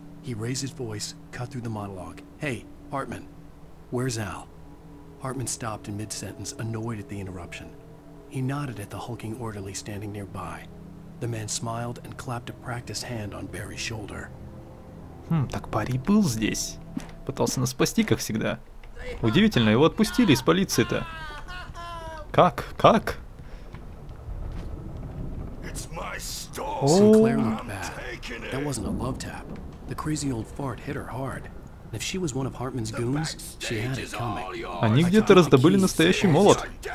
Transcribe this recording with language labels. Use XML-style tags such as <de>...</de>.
<en>He raised his voice, cut through the monologue. Hey, Hartman, where's Al? Hartman stopped in mid-sentence, annoyed at the interruption. He nodded at the hulking orderly standing nearby. The man smiled and clapped a practiced hand on Barry's shoulder.</en> <ru>Так Барри был здесь. Пытался нас спасти, как всегда. Удивительно, его отпустили из полиции-то. Как? Как?</ru> <en>It's my store. Sinclair looked bad. That wasn't a love tap. The crazy old fart hit her hard. If she was one of Hartman's goons, she had it coming.</en> <ru>Они где-то раздобыли настоящий молот.</ru>